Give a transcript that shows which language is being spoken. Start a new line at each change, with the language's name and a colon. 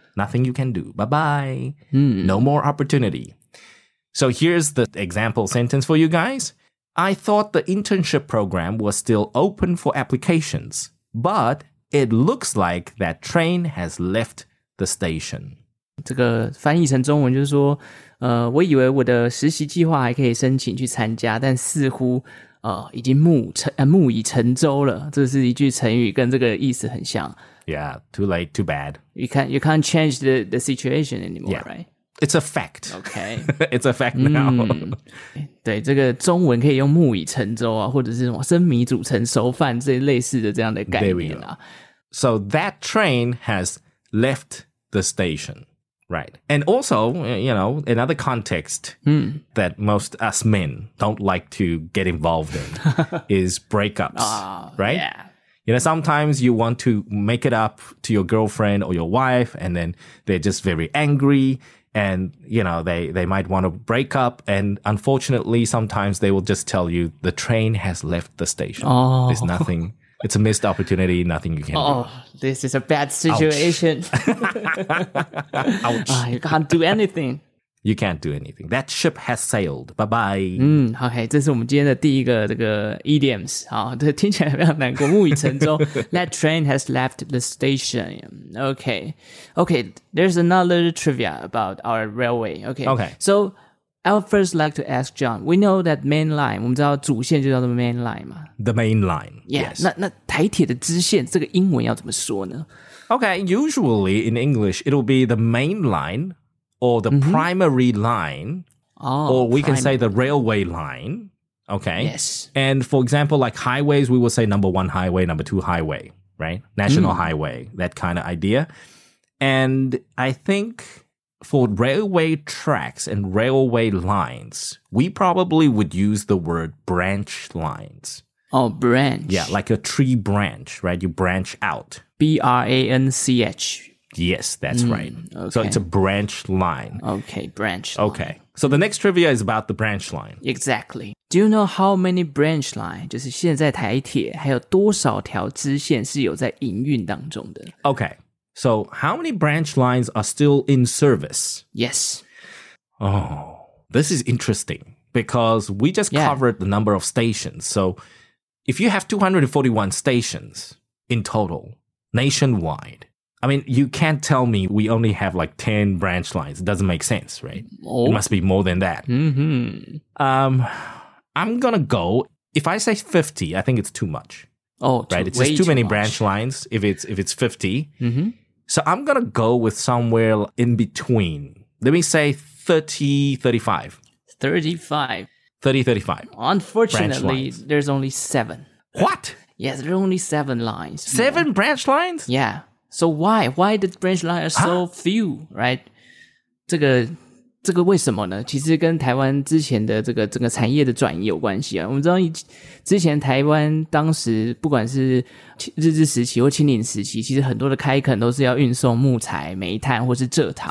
English: Nothing you can do. Bye-bye. Hmm. No more opportunity. So here's the example sentence for you guys. I thought the internship program was still open for applications. But it looks like that train has left the station.
Chinese: 这个翻译成中文就是说，我以为我的实习计划还可以申请去参加，但似乎已经木已成舟了。这是一句成语，跟这个意思很像。
English: Yeah, too late, too bad. You can't change the situation anymore, yeah. right? It's a fact. Okay. It's a fact now.
Chinese: 对，这个中文可以用木已成舟啊，或者是什么生米煮成熟饭这类似的这样的概念啊。
English: So that train has left the station, right? And also, you know, another context that most us men don't like to get involved in is breakups, right? Yeah. You know, sometimes you want to make it up to your girlfriend or your wife, and then they're just very angry, and, you know, they might want to break up. And unfortunately, sometimes they will just tell you, the train has left the station. Oh. There's nothing It's a missed opportunity. Nothing you can do. Oh, this is a bad situation. Ouch. You can't do anything. You can't do anything. That ship has sailed. Bye-bye.
Chinese: 好嘿, 这是我们今天的第一个 idioms. 好,这听起来非常难过,木已成舟,
English: that train has left the station. Okay. Okay, there's another trivia about our railway. Okay. Okay. So, I would first like to ask John, we know that main line,
Chinese: 我们知道主线就叫做 main line 嘛?
English: The main line, yeah, yes.
Chinese: 那台铁的支线, 这个英文要怎么说呢?
English: Okay, usually in English, it'll be the main line, or the primary line, or we can say the railway line, okay? Yes. And for example, like highways, we will say number one highway, number two highway, right? National highway, that kind of idea. And I think for railway tracks and railway lines, we probably would use the word branch lines. Oh, branch. Yeah, like a tree branch, right? You branch out. B-R-A-N-C-H. Yes, that's right. Okay. So it's a branch line. Okay, branch line. Okay. So the next trivia is about the branch line. Exactly. Do you know how many branch lines,
Chinese: 就是现在台铁还有多少条支线是有在营运当中的?
English: Okay. So how many branch lines are still in service? Yes. Oh, this is interesting because we just covered the number of stations. So if you have 241 stations in total, nationwide, I mean, you can't tell me we only have like 10 branch lines. It doesn't make sense, right? Oh. It must be more than that. I'm going to go, if I say 50, I think it's too much. Oh, right? It's way just too many much. Branch lines if it's 50. Mm-hmm. So I'm going to go with somewhere in between. Let me say 30, 35. 35. 30, 35. Unfortunately, there's only 7. What? Yes, there are only 7 lines. 7 more. Branch lines? Yeah. So why? Why the branch line are so few, right?
Chinese: 这个为什么呢? 其实跟台湾之前的这个产业的转移有关系。我们知道之前台湾当时不管是日治时期或清领时期, 其实很多的开垦都是要运送木材、煤炭或是蔗糖。